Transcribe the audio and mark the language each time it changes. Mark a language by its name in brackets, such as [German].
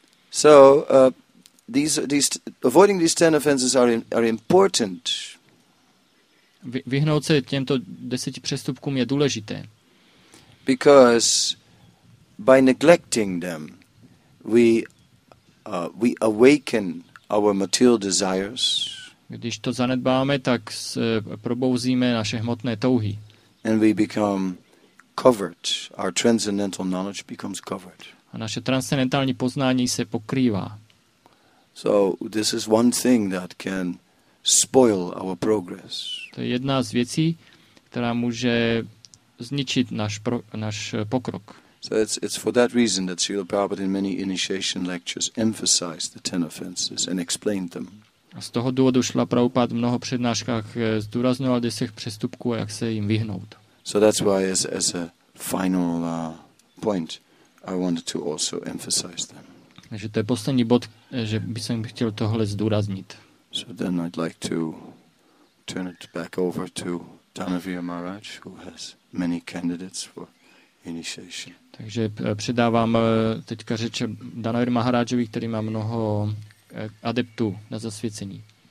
[English] So these avoiding these 10 offenses are important. [Czech] Vyhnout se těmto 10 přestupkům je důležité. [English] Because by neglecting them we awaken our material desires. [Czech] Když to zanedbáme, tak probouzíme naše hmotné touhy. [English] And we become covered, our transcendental knowledge becomes covered. [Czech] A naše transcendentální poznání se pokrývá. [English] So this is one thing that can spoil our progress. [Czech] To je jedna z věcí, která může zničit náš pokrok. [English] So it's for that reason that Srila Prabhupada in many initiation lectures emphasized the 10 offenses and explained them. [Czech] A z toho důvodu Srila Prabhupada v mnoho přednáškách zdůrazňoval 10 přestupků, jak se jim vyhnout. [English] So that's why as a final point I wanted to also emphasize them. [Czech] Takže to je poslední bod, že bych chtěl tohle zdůraznit. [English] So then I'd like to turn it back over to Dhanavir Maharaj, who has many candidates for initiation. [Czech] Takže předávám teďka řeč Dhanavir Maharajovi, který má mnoho adeptů na zasvěcení.